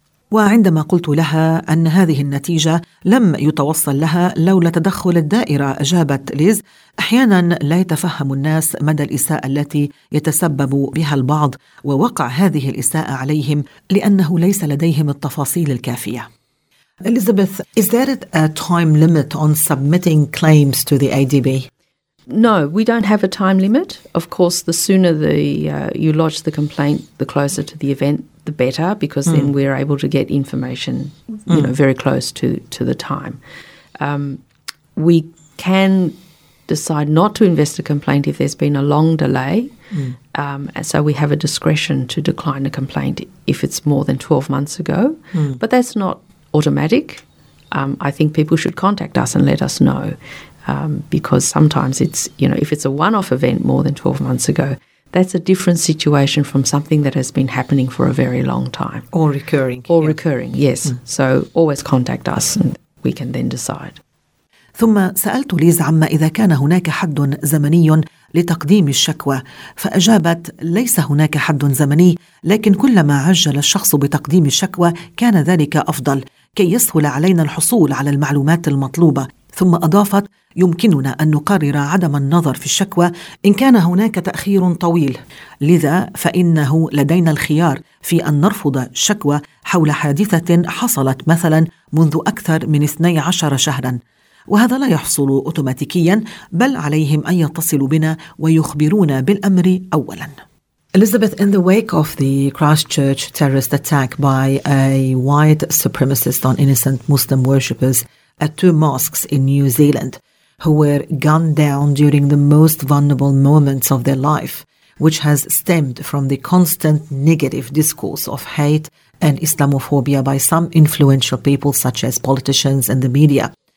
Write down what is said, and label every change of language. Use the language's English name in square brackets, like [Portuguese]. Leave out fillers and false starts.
[Arabic] وعندما قلت لها أن هذه النتيجة لم يتوصل لها لولا تدخل الدائرة، أجابت ليز: أحياناً لا يتفهم الناس مدى الإساءة التي يتسبب بها البعض ووقع هذه الإساءة عليهم لأنه ليس لديهم التفاصيل الكافية. [English] Elizabeth, is there a time limit on submitting claims to the ADB? No, we don't have a time limit. Of course, the sooner the you lodge the complaint, the closer to the event, the better, because then we're able to get information, you know, very close to the time. We can decide not to invest a complaint if there's been a long delay. So we have a discretion to decline a complaint if it's more than 12 months ago. But that's not automatic. I think people should contact us and let us know. Because sometimes it's, you know, if it's a one-off event more than 12 months ago, that's a different situation from something that has been happening for a very long time. Or recurring. Or recurring, yes. So always contact us and we can then decide. [Arabic] ثم سألت ليز عما إذا كان هناك حد زمني لتقديم الشكوى، فأجابت: ليس هناك حد زمني، لكن كلما عجل الشخص بتقديم الشكوى كان ذلك أفضل كي يسهل علينا الحصول على المعلومات المطلوبة. ثم أضافت: يمكننا أن نقرر عدم النظر في الشكوى إن كان هناك تأخير طويل، لذا فإنه لدينا الخيار في أن نرفض شكوى حول حادثة حصلت مثلا منذ أكثر من 12 شهرا، وهذا لا يحصل أوتوماتيكيا، بل عليهم أن يتصلوا بنا ويخبرونا بالأمر أولا. [English] Elizabeth, in the wake of the Christchurch terrorist attack by a white supremacist on innocent Muslim worshippers at two mosques in New Zealand, who were gunned down during the most vulnerable moments of their life, which has stemmed from the constant negative discourse of hate and Islamophobia by some influential people such as politicians and the media.